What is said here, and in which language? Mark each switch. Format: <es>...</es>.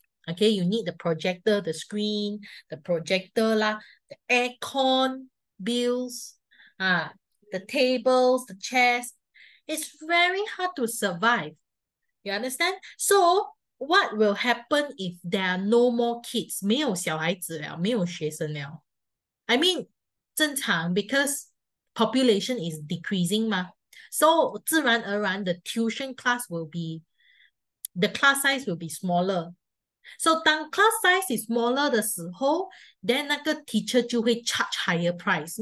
<en>Okay, you need the projector, the screen, the projector, lah, the aircon bills, the tables, the chairs. It's very hard to survive. You understand? So, what will happen if there are no more kids?</en> <zh>没有小孩子了, 没有学生了.</zh> <en>I mean,</en> <zh>正常,</zh> <en>because population is decreasing, ma. So,</en> <zh>自然而然,</zh> <en>the tuition class will be, the class size will be smaller. So, 当 class size is smaller</en> <zh>的时候,</zh> <en>then 那个 teacher</en> <zh>就会</zh> <en>charge higher price.</en>